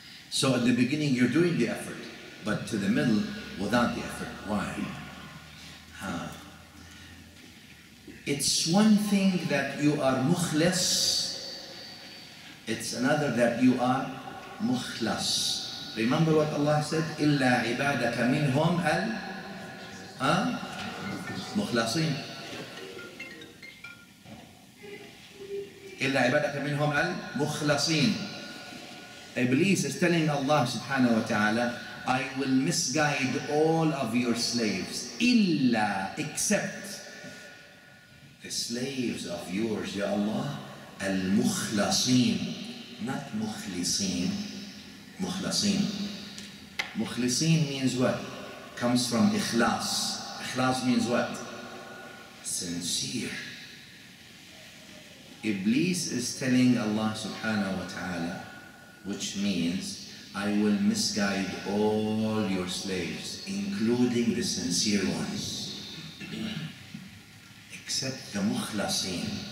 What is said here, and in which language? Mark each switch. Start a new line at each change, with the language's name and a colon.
English: So at the beginning, you're doing the effort, but to the middle, without the effort. Why? It's one thing that you are mukhlas. It's another that you are mukhlas. Remember what Allah said?
Arabic: Illa ibadaka minhum al... مخلصين إلا عبادك منهم المخلصين.
English: Iblis is telling Allah subhanahu wa ta'ala, I will misguide all of your slaves. إلا, except the slaves of yours, ya Allah, المخلصين.
Arabic: Not مخلصين, مخلصين.
English: مخلصين means what? Comes from إخلاص. إخلاص means what? Sincere. Iblis is telling Allah subhanahu wa ta'ala, which means, I will misguide all your slaves, including the sincere ones, except the mukhlasin.